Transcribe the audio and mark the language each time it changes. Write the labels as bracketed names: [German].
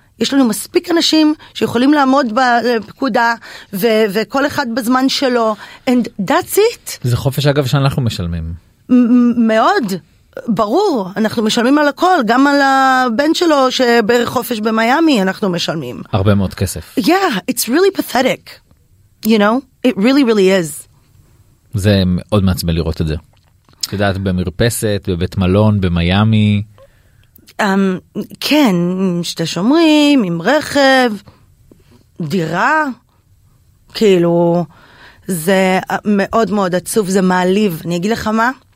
[Hebrew] יש לנו מספיק אנשים שיכולים לעמוד בפקודה, וכל אחד בזמן שלו, [English] and that's it. [Hebrew] זה חופש אגב שאנחנו משלמים. מאוד. ברור, אנחנו משלמים על הכל, גם על הבן שלו שבערך חופש במיאמי, אנחנו משלמים. הרבה מאוד כסף. [English] Yeah, it's really pathetic. You know, it really really is. [Hebrew] זה מאוד מעצבן לראות את זה. יודעת, במרפסת, בבית מלון, במיאמי. כן, שתי שומרים, עם רכב, דירה, כאילו, זה מאוד מאוד עצוב, זה מעליב. אני אגיד לך מה?